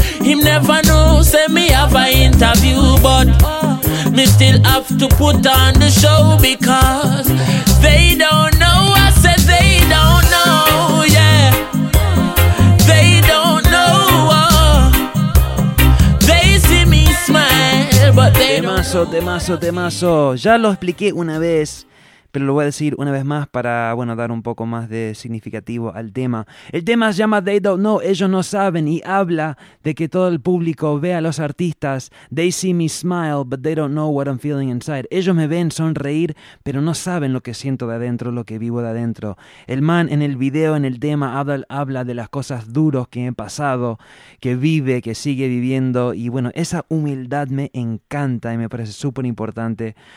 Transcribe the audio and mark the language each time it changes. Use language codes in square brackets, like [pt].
[en] Him never know, say me have a interview. But me still have to put on the show. Because they don't know, I said they don't know, yeah. They don't know, they see me smile, but they don't. [es] Temazo, temazo, temazo. Ya lo expliqué una vez, pero lo voy a decir una vez más para, bueno, dar un poco más de significativo al tema. El tema se llama They Don't Know, ellos no saben, y habla de que todo el público ve a los artistas. [en] They see me smile, but they don't know what I'm feeling inside. [es] Ellos me ven sonreír, pero no saben lo que siento de adentro, lo que vivo de adentro. El man en el video, en el tema, habla de las cosas duras que he pasado, que vive, que sigue viviendo, y bueno, esa humildad me encanta y me parece súper importante.